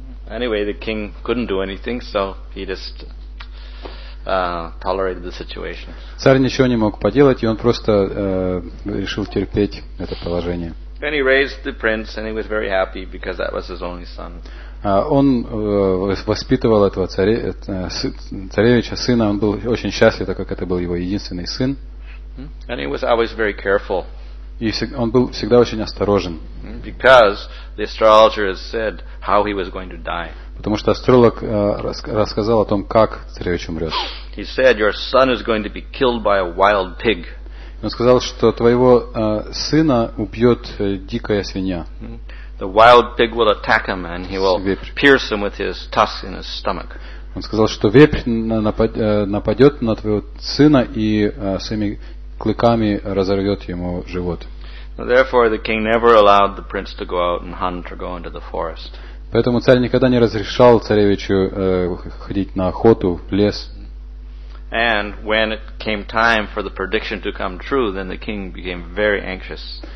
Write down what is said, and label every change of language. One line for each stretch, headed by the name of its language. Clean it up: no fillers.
English: Anyway, the king couldn't do anything, so he just tolerated the situation.
Russian: Царь ничего не мог поделать, и он просто решил терпеть это положение.
English: Then he raised the prince, and he was very happy because that was his only son.
Russian: Он воспитывал этого царевича сына. Он был очень счастлив, так как это был его единственный сын.
English: And he was always very careful.
Russian: И он был всегда очень осторожен.
English: Because the astrologer has said how he was going to die.
Russian: Потому что астролог рассказал о том, как царевич умрет.
English: He said, "Your son is going to be killed by a wild pig."
Russian: Он сказал, что твоего сына убьет дикая свинья.
English: The wild pig will attack him, and he will pierce him with his tusks in his stomach.
Russian: Он сказал, что вепрь нападет на твоего сына и своими клыками разорвет ему живот.
English: Therefore, the king never allowed the prince to go out and hunt or go into the forest.
Russian: Поэтому царь никогда не разрешал царевичу ходить на охоту в лес.
English: And when it came time for the prediction to come true, then the king became very anxious.